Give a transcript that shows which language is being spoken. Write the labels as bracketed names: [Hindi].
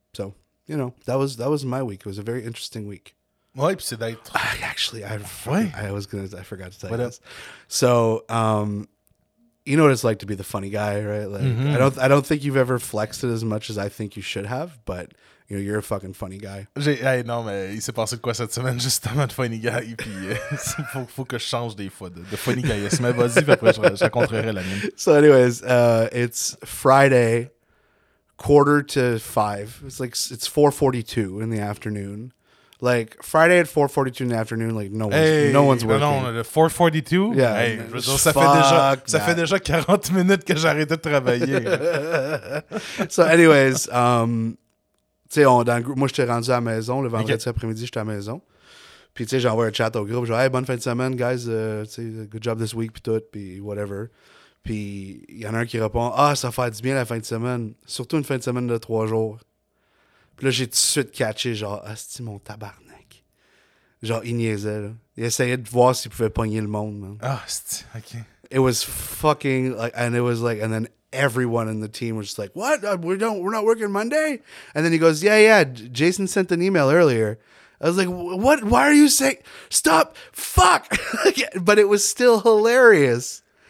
[English] So, you know, that was my week. It was a very interesting week. [French] Ouais, puis c'est d'être... [English] I forgot to tell you this. So, you know what it's like to be the funny guy, right? Like, I don't think you've ever flexed it as much as I think you should have, but, you know, you're a fucking funny guy. [French] Non, mais il s'est passé de quoi cette semaine, justement, de funny guy, puis faut que je change des fois de funny guy. Mais vas-y, puis après, je raconterai la mienne. [English] So anyways, it's Friday, 4:45. It's 4:42 in the afternoon. Like Friday at 4:42 in the afternoon, like no one's working. [French] Non, on a 4:42. [English] Yeah, [French] hey, ça fait déjà 40 minutes que j'arrête de travailler. [English] So, anyways, [French] tu sais, moi j'étais rendu à la maison le vendredi après-midi, j'étais à la maison. Puis tu sais, j'envoie un chat au groupe, je dis, hey, bonne fin de semaine, guys, [English] good job this week, [French] puis tout, puis whatever. Puis il y en a un qui répond, ah, ça fait du bien la fin de semaine, surtout une fin de semaine de 3 jours. Puis là, j'ai tout de suite catché, genre, asti, mon tabarnak. Genre, il niaisait, là. Il essayait de voir s'il pouvait pogner le monde, man. Ah, asti, OK. [English] It was fucking, like, and it was like, and then everyone in the team was just like, what? We're not working Monday? And then he goes, yeah, Jason sent an email earlier. I was like, what? Why are you saying, stop, fuck. But it was still hilarious.